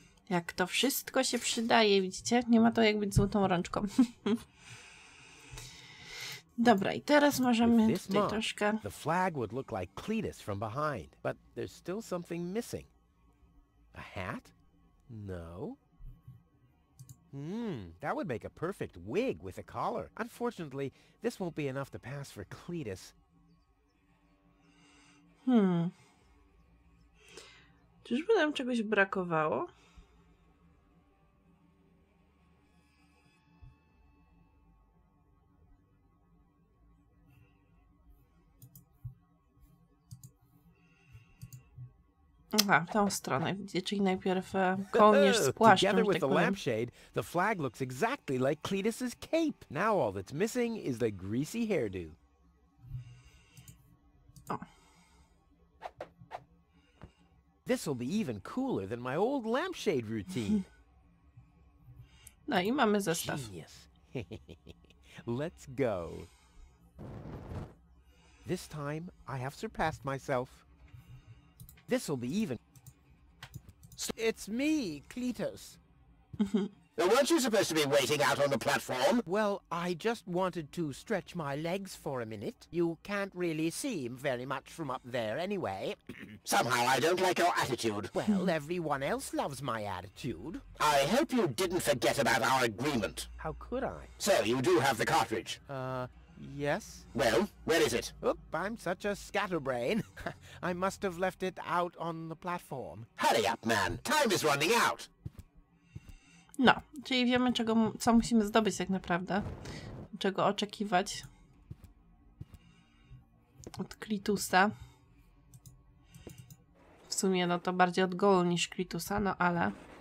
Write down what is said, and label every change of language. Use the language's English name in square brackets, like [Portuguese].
[Polish] Jak to wszystko się przydaje, widzicie? Nie ma to jak być złotą rączką. Dobra, i teraz możemy tutaj troszkę... [English] The flag would look like Cletus from behind, but there's still something missing. A hat? No. That would make a perfect wig with a collar. Unfortunately, this won't be enough to pass for Cletus. [Polish] Czyżby nam czegoś brakowało? Aha, w tą stronę, czyli najpierw kołnierz z płaszczem. [English] Together with the lampshade, the flag looks exactly like Cletus's cape. Now all that's missing is the greasy hairdo. This will be even cooler than my old lampshade routine. [Polish] No i mamy zestaw. [English] Genius. Let's go. This time I have surpassed myself. This will be even. It's me, Cletus. Now, weren't you supposed to be waiting out on the platform? Well, I just wanted to stretch my legs for a minute. You can't really see very much from up there anyway. Somehow I don't like your attitude. Well, everyone else loves my attitude. I hope you didn't forget about our agreement. How could I? So, you do have the cartridge? Yes. Well, where is it? Oop, I'm such a scatterbrain. I must have left it out on the platform. Hurry up, man. Time is running out. [Polish] No, czyli wiemy, czego, co musimy zdobyć tak naprawdę. Czego oczekiwać. Od Cletusa. W sumie no to bardziej od Goal niż Cletusa, no ale...